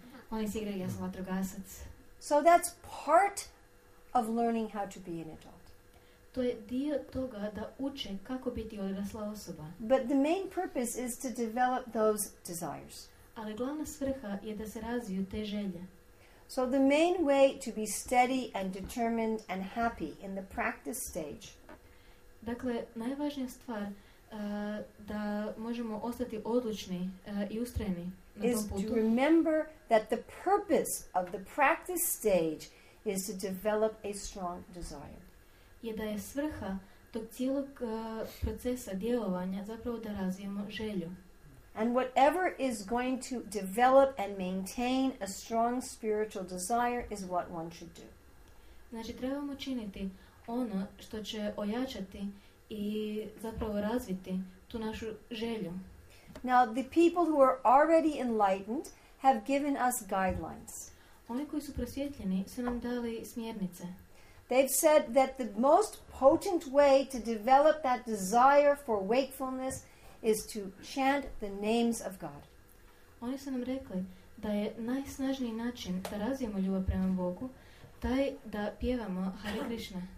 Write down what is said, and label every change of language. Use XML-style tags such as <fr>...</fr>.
<hr>Oni si igraju ja sam vatrogasac.</hr> <en>So that's part of learning how to be an adult.</en> <hr>To je dio toga da uče kako biti odrasla osoba.</hr> <en>But the main purpose is to develop those desires.</en> <hr>Ali glavna svrha je da se razviju te želje.</hr> <en>So the main way to be steady and determined and happy in the practice stage.</en> <hr>Dakle, najvažnija stvar da možemo ostati odlučni I ustrajni na tom putu.</hr> <en>Is to remember that the purpose of the practice stage is to develop a strong desire.</en> <hr>Je da je svrha tog cijelog procesa djelovanja zapravo da razvijemo želju.</hr> <en>And whatever is going to develop and maintain a strong spiritual desire is what one should do.</en> <hr>Znači, trebamo činiti ono što će ojačati I zapravo razviti tu našu želju.</hr> <en>Now, the people who are already enlightened have given us guidelines.</en> <hr>Oni koji su prosvjetljeni su nam dali smjernice.</hr> <en>They've said that the most potent way to develop that desire for wakefulness is to chant the names of God.</en> <hr>Oni su nam rekli da je najsnažniji način da razvijemo ljubav prema Bogu taj da pjevamo Hare Krishna.</hr>